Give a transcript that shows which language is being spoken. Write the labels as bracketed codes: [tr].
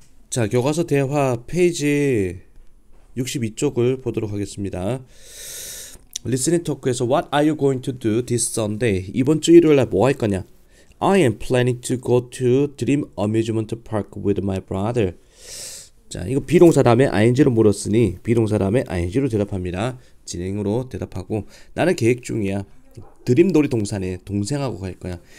[ko] 자, 교과서 대화 페이지 62쪽을 보도록 하겠습니다. [en] Listening talk에서 What are you going to do this Sunday? [ko] 이번 주 일요일에 뭐할 거냐? [en] I am planning to go to Dream Amusement Park with my brother. [ko] 자, 이거 비동사 다음에 ing로 물었으니 비동사 다음에 ing로 대답합니다. 진행으로 대답하고 나는 계획 중이야. 드림 놀이 동산에 동생하고 갈 거야.